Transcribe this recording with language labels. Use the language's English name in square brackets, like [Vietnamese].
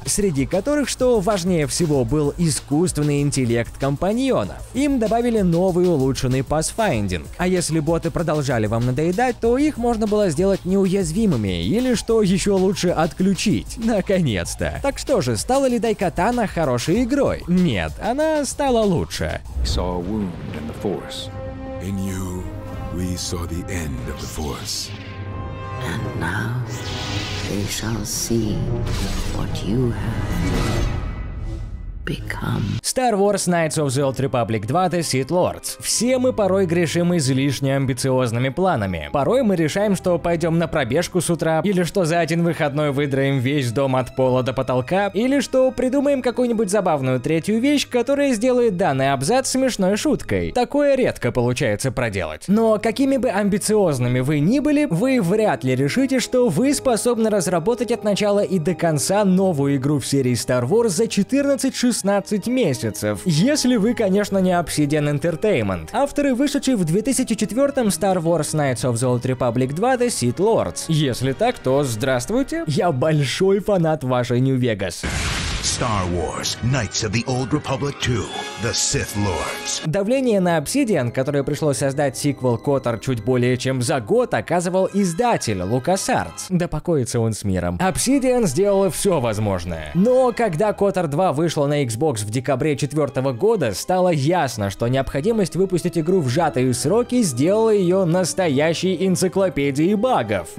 [Russian] Среди которых, что важнее всего, был искусственный интеллект компаньонов. Им добавили новый улучшенный пасфайдинг. А если боты продолжали вам надоедать, то их можно было сделать неуязвимыми, или что еще лучше, отключить. Наконец-то. Так что же, стала ли Дайкатана хорошей игрой? Нет. Она стала лучше. [English] We saw a wound in the Force. In you, we saw the end of the Force. And now, we shall see what you have. become. Star Wars Knights of the Old Republic 2 The Sith Lords. [Russian] Все мы порой грешим излишне амбициозными планами. Порой мы решаем, что пойдем на пробежку с утра, или что за один выходной выдраем весь дом от пола до потолка, или что придумаем какую-нибудь забавную третью вещь, которая сделает данный абзац смешной шуткой. Такое редко получается проделать. Но какими бы амбициозными вы ни были, вы вряд ли решите, что вы способны разработать от начала и до конца новую игру в серии Star Wars за 14-16 месяцев. Если вы, конечно, не Obsidian Entertainment, авторы, вышедшие в 2004-м Star Wars Knights of the Old Republic 2 The Sith Lords. Если так, то здравствуйте, я большой фанат вашей New Vegas. [English] Star Wars Knights of the Old Republic 2 The Sith Lords. [Russian] Давление на Obsidian, которое пришлось создать сиквел KOTOR чуть более чем за год, оказывал издатель LucasArts. Да покоится он с миром. Obsidian сделала все возможное. Но когда KOTOR 2 вышла на Xbox в декабре 2004 года, стало ясно, что необходимость выпустить игру в сжатые сроки сделала ее настоящей энциклопедией багов.